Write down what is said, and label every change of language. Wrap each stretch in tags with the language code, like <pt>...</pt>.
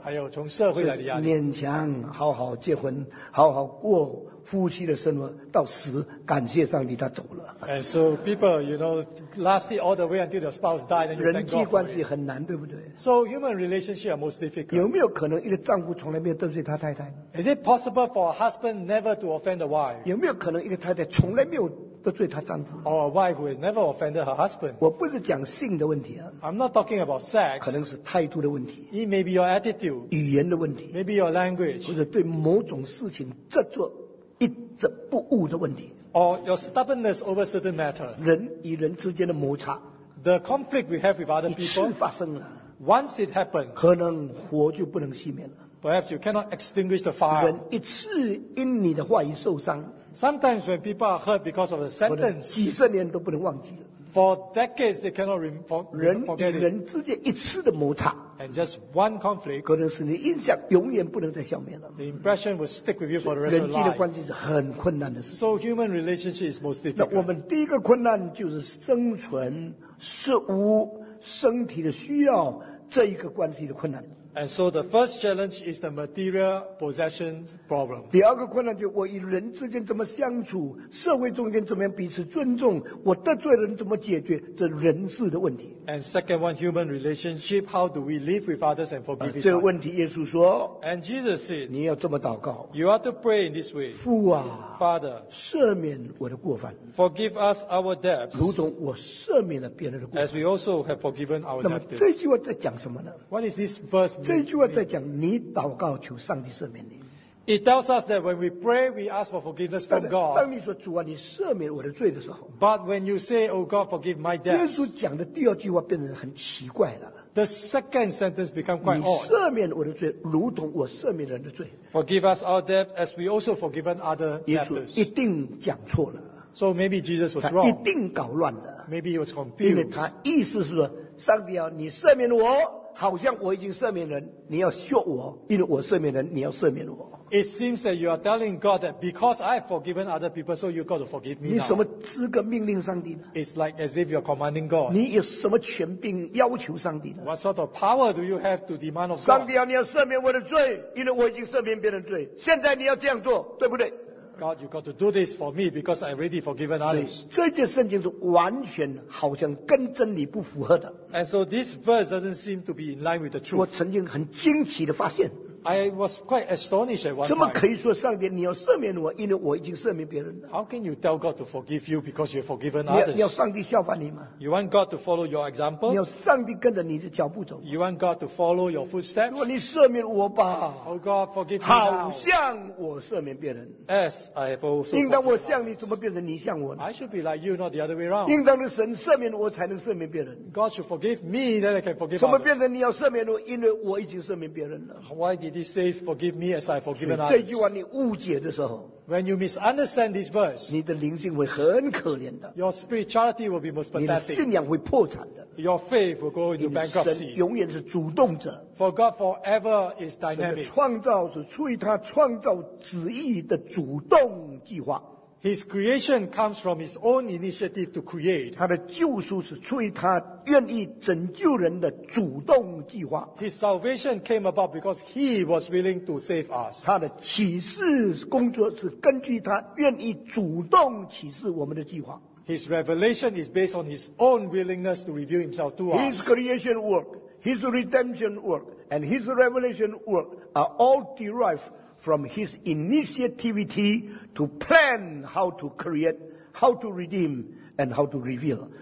<zh>还有从社会来的压力。勉强好好结婚，好好过夫妻的生活，到死感谢上帝他走了。</zh> <en>And so people, you know, last it all the way until the spouse died.</en> <zh>人际关系很难，对不对</zh> <en>？So human relationship are most difficult.</en> <zh>有没有可能一个丈夫从来没有得罪他太太</zh> <en>？Is it possible for a husband never to offend a wife？</en> <zh>有没有可能一个太太从来没有？得罪她丈夫。</zh> <en>Or a wife who has never offended her husband.</en> <zh>我不是讲性的问题啊。</zh> <en>I'm not talking about sex.</en> <zh>可能是态度的问题。</zh> <en>It may be your attitude.</en> <zh>语言的问题。</zh> <en>Maybe your language.</en> <zh>或者对某种事情执着一直不悟的问题。</zh> <en>Or your stubbornness over certain matters.</en> <zh>人与人之间的摩擦。</zh> <en>The conflict we have with other people.</en> <zh>一次发生了。</zh> <en>Once it happened.</en> <zh>可能火就不能熄灭了。</zh> <en>Perhaps you cannot extinguish the fire.</en> <zh>人一次因你的话语受伤。</zh> <en>Sometimes when people are hurt because of a sentence,</en> <zh>几十年都不能忘记了。</zh> <en>For decades, they cannot forget.</en> <zh>人与人之间一次的摩擦</zh> <en>，and just one conflict,</en> <zh>可能使你印象永远不能再消灭了。</zh> <en>The impression will stick with you for the rest of your life.</en> <zh>人际的关系是很困难的事。</zh> <en>So human relationship is most difficult.</en> <zh>那我们第一个困难就是生存、食物、身体的需要这一个关系的困难。</zh> <en>And so the first challenge is the material possessions problem.</en> <zh>第二个困难就是我与人之间怎么相处，社会中间怎么样彼此尊重，我得罪人怎么解决这人事的问题。</zh> <en>And second one, human relationship. How do we live with others and forgive each other?</en> <zh>这个问题耶稣说。</zh> <en>And Jesus said,</en> <zh>你要这么祷告。</zh> <en>You are to pray in this way.</en> <zh>父啊</zh> <en>，Father，</en> <zh>赦免我的过犯。</zh> <en>Forgive us our debts.</en> <zh>如同我赦免了别人的过犯。</zh> <en>As we also have forgiven our debtors.</en> <zh>那么这句话在讲什么呢</zh> <en>？What is this verse?</en> <zh>这句话在讲你祷告求上帝赦免你。</zh> <en>It tells us that when we pray, we ask for forgiveness from God.</en> <zh>当你说主啊，你赦免我的罪的时候</zh> <en>，But when you say, "Oh God, forgive my debt."</en> <zh>耶稣讲的第二句话变得很奇怪了。</zh> <en>The second sentence become quite odd.</en> <zh>你赦免我的罪，如同我赦免人的罪。</zh> <en>Forgive us our debt, as we also forgiven other debtors.</en> <zh>耶稣一定讲错了。</zh> <en>So maybe Jesus was wrong.</en> <zh>他一定搞乱的。</zh> <en>Maybe he was confused.</en> <zh>因为他意思是说，上帝啊，你赦免我。好像我已经赦免人，你要说我，因为我赦免人，你要赦免我。</zh> <en>It seems that you are telling God that because I have forgiven other people, so you got to forgive me.</en> <zh>你什么资格命令上帝呢</zh> <en>？It's like as if you're commanding God.</en> <zh>你有什么权柄要求上帝呢</zh> <en>？What sort of power do you have to demand of God?</en> <zh>上帝啊，你要赦免我的罪，因为我已经赦免别人的罪。现在你要这样做，对不对</zh> <en>？God, you got to do this for me because I already forgiven others.</en> <zh>这件圣经是完全好像跟真理不符合的。</zh> <en>And so this verse doesn't seem to be in line with the truth.</en> <zh>我曾经很惊奇地发现。</zh> <en>I was quite astonished at one time.</en> <zh>怎么可以说上帝，你要赦免我，因为我已经赦免别人了。</zh> <en>How can you tell God to forgive you because you have forgiven others?</en> <zh>你要上帝效法你吗</zh> <en>？You want God to follow your example?</en> <zh>你要上帝跟着你的脚步走。</zh> <en>You want God to follow your footsteps?</en> <zh>如果你赦免我吧。</zh> <en>Oh God, forgive me.</en> <zh>好像我赦免别人。</zh> <en>As I have also.</en> <zh>应当我像你，怎么变成你像我呢</zh> <en>？I should be like you, not the other way around.</en> <zh>应当的神赦免我，才能赦免别人。</zh> <en>God should forgive me, then I can forgive.</en> <zh>怎么变成你要赦免我，因为我已经赦免别人了</zh> <en>？Why did He says, "Forgive me as I have forgiven others."</en> <zh>这句话你误解的时候</zh> <en>，when you misunderstand this verse,</en> <zh>你的灵性会很可怜的。</zh> <en>Your spirituality will be most pathetic.</en> <zh>你的信仰会破产的。</zh> <en>Your faith will go into bankruptcy.</en> <zh>神永远是主动者。</zh> <en>For God forever is dynamic.</en> <zh>神的创造是出于他创造旨意的主动计划。</zh> <en>His creation comes from His own initiative to create.</en> <zh>他的救赎是出于他愿意拯救人的主动计划。</zh> <en>His salvation came about because He was willing to save us.</en> <zh>他的启示工作是根据他愿意主动启示我们的计划。</zh> <en>His revelation is based on His own willingness to reveal Himself to us. His creation work, His redemption work, and His revelation work are all derived from His initiativity to plan how to create, how to redeem, and how to reveal.</en>